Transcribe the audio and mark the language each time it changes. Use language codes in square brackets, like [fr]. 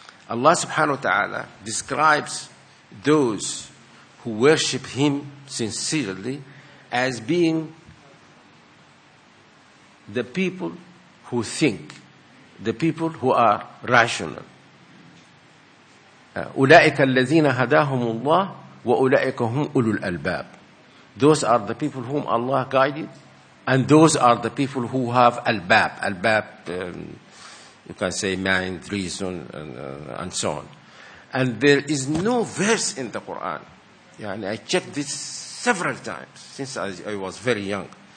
[en] Allah subhanahu wa ta'ala describes those who worship Him sincerely as being the people who think, the people who are rational. [ar] أولئك الذين هداهم الله وأولئك هم أولو الألباب. [en] Those are the people whom Allah guided, and those are the people who have al-bab. Al-bab, you can say mind, reason, and so on. And there is no verse in the Quran. And I checked this several times since I was very young.